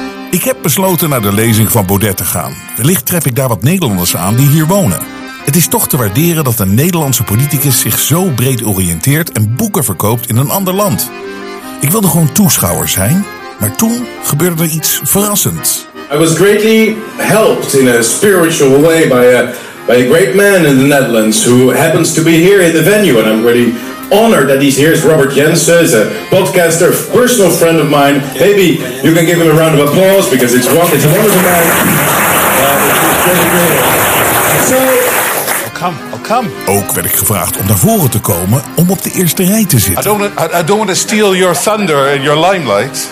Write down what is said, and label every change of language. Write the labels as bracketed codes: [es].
[nl] Ik heb besloten naar de lezing van Baudet te gaan. Wellicht tref ik daar wat Nederlanders aan die hier wonen. Het is toch te waarderen dat een Nederlandse politicus zich zo breed oriënteert en boeken verkoopt in een ander land. Ik wilde gewoon toeschouwer zijn, maar toen gebeurde er iets verrassends. [en] I was greatly helped in a spiritual way by a great man in the Netherlands who happens to be here in the venue, and I'm really honored that he's here. Is Robert Jensen, is a podcaster, personal friend of mine. Maybe you can give him a round of applause, because it's a wonderful man. I'll come. [nl] Ook werd ik gevraagd om naar voren te komen om op de eerste rij te zitten. [en] I don't want to steal your thunder and your limelight.